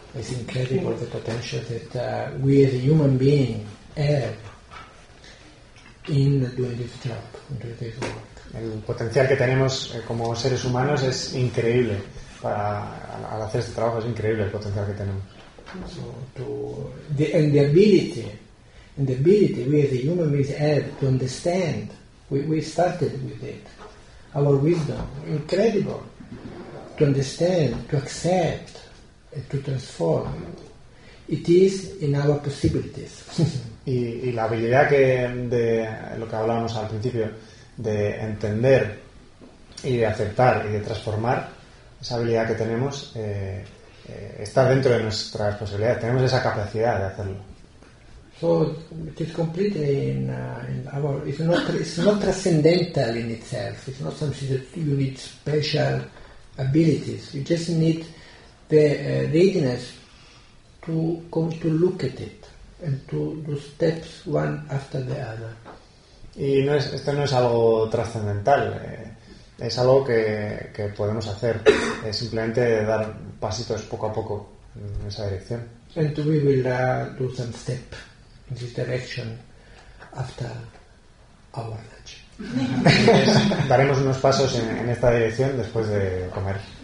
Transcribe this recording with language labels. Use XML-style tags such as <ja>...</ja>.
<en>It's incredible,</en> <es>sí.</es> <en>The potential that we as a human being have in doing this job, doing this work.</en> <es>El potencial que tenemos como seres humanos es increíble. Al hacer este trabajo es increíble el potencial que tenemos.</es> <en>So the ability we as a human beings have to understand, we started with it, our wisdom, incredible, to understand, to accept, and to transform. It is in our possibilities.</en> <es>Y la habilidad que de lo que hablábamos al principio de entender y de aceptar y de transformar, esa habilidad que tenemos está dentro de nuestras posibilidades, tenemos esa capacidad de hacerlo.</es> <en>So it is complete in our, it's not transcendental in itself, it's not something that you need special abilities, you just need the readiness to come to look at it and to do steps one after the other.</en> <es>Y no es, esto no es algo trascendental, es algo que podemos hacer, es simplemente dar pasitos poco a poco en esa dirección.</es> <en>And we will do some step in this direction after our lunch.</en> <es>Daremos unos pasos en esta dirección después de comer.</es>